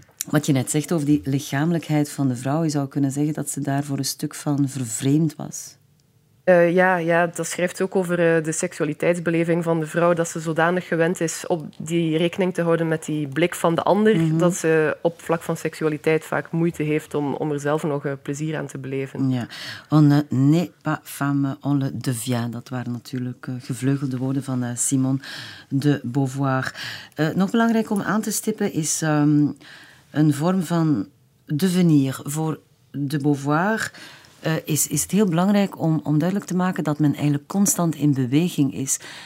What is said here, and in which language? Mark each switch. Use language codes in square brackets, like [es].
[nl] Wat je net zegt over die lichamelijkheid van de vrouw, je zou kunnen zeggen dat ze daarvoor een stuk van vervreemd was. Ja, dat schrijft ze ook over de seksualiteitsbeleving van de vrouw, dat ze zodanig gewend is om die rekening te houden met die blik van de ander, dat ze op vlak van seksualiteit vaak moeite heeft om er zelf nog plezier aan te beleven. [fr] Ja, on n'est pas femme, on le devient. [nl] Dat waren natuurlijk gevleugelde woorden van Simone de Beauvoir. Nog belangrijk om aan te stippen is een vorm van devenir voor de Beauvoir. Is het heel belangrijk om duidelijk te maken dat men eigenlijk constant in beweging is.